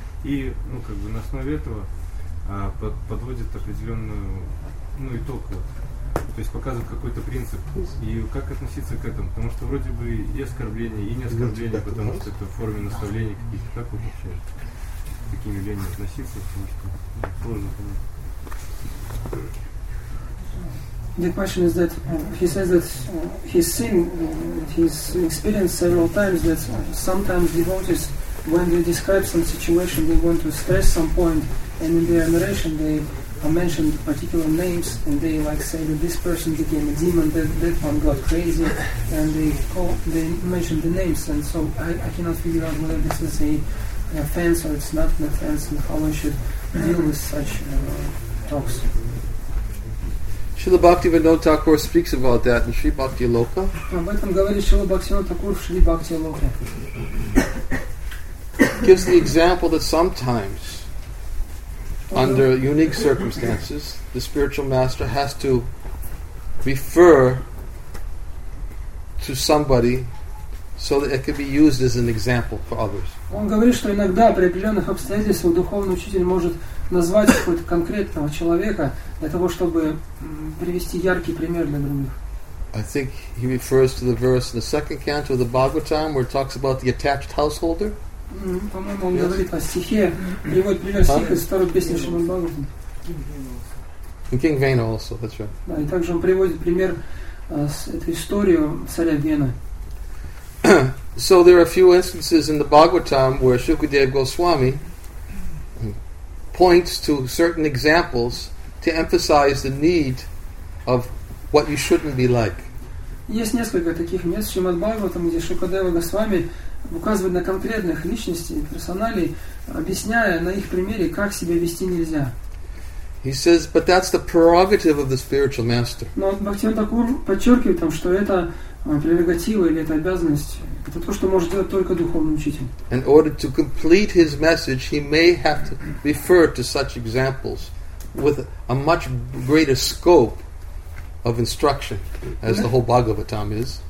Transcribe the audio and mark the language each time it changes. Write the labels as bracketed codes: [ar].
[ru] И ну, как бы на основе этого подводят определенную ну, итог. Вот. То есть показывают какой-то принцип. И как относиться к этому? Потому что вроде бы и оскорбление, и не оскорбление, потому что это в форме наставления каких-то. Как вы считаете? Какими явлениями относиться, потому что сложно понять. [en] The question is that he says that he's seen he's experienced several times that sometimes devotees, when they describe some situation, they want to stress some point, and in their narration they mentioned particular names, and they like say that this person became a demon, that one got crazy, and they mentioned the names, and so I cannot figure out whether this is an offense or it's not an offense, and how one should deal with such talks. Srila Bhaktivinoda Thakur speaks about that in Sri Bhakti Loka. [ru] Об этом говорит Srila Bhaktivinoda Thakur в Sri Bhakti Loka. [en] Gives the example that sometimes under unique circumstances, the spiritual master has to refer to somebody so that it could be used as an example for others. [ru] Он говорит, что иногда при определенных обстоятельствах духовный учитель может назвать какого-то конкретного человека для того, чтобы привести яркий пример для других. [en] I think he refers to the verse in the second canto of the Bhagavatam where it talks about the attached householder. [ru] По-моему, он говорит о стихе, приводит пример стих из второй песни Шримад Бхагаватам. [en] And King Vena also, that's right. [ru] Да, и также он приводит пример с этой историю царя Вены. [en] So there are a few instances in the Bhagavatam where Shukadeva Goswami points to certain examples to emphasize the need of what you shouldn't be like. [ru] Есть несколько таких мест в Шримад Бхагаватам, где Шукадева Госвами указывает на конкретных личностей, персоналей, объясняя на их примере, как себя вести нельзя. [en] He says, but that's the prerogative of the spiritual master. [ru] Но Бхактиан Такур подчеркивает там, что это прерогатива или это обязанность, это то, что может делать только духовный учитель. [en] In order to complete his message, he may have to refer to such examples with a much greater scope of instruction, as the whole Bhagavatam is.